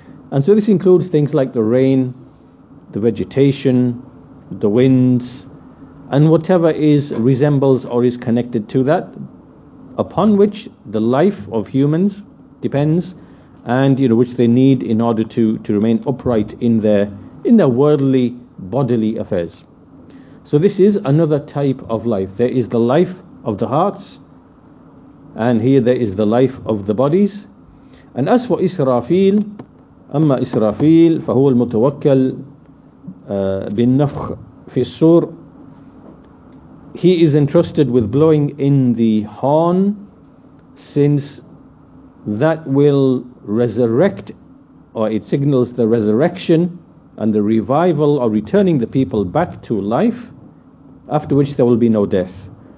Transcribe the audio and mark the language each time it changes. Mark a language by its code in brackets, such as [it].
[en] And so this includes things like the rain, the vegetation, the winds, and whatever is resembles or is connected to that, upon which the life of humans depends, and you know, which they need in order to remain upright in their worldly bodily affairs. So this is another type of life. There is the life of the hearts, and here there is the life of the bodies. And as for Israfil, [ar] أما إسرافيل فهو المتوكل بالنفخ في الصور. [en] He is entrusted with blowing in the horn, since that will resurrect, or it signals the resurrection and the revival, or returning the people back to life, after which there will be no death.